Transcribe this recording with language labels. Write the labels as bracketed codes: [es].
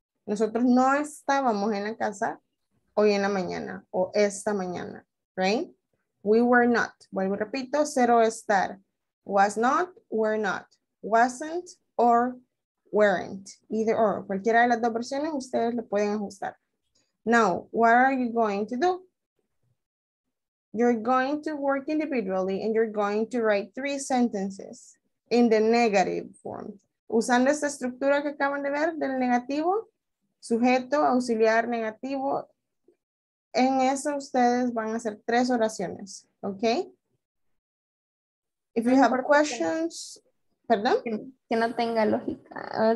[es] Nosotros no estábamos en la casa hoy en la mañana o esta mañana, right? [en] We were not. [es] Vuelvo y repito, cero estar. [en] Was not, were not. Wasn't or weren't. Either or. [es] Cualquiera de las dos versiones ustedes lo pueden ajustar. [en] Now, what are you going to do? You're going to work individually and you're going to write three sentences in the negative form. [es] Usando esta estructura que acaban de ver del negativo, sujeto, auxiliar, negativo, en eso ustedes van a hacer tres oraciones, okay? [en] If you have questions, perdón. [es] Que no tenga lógica.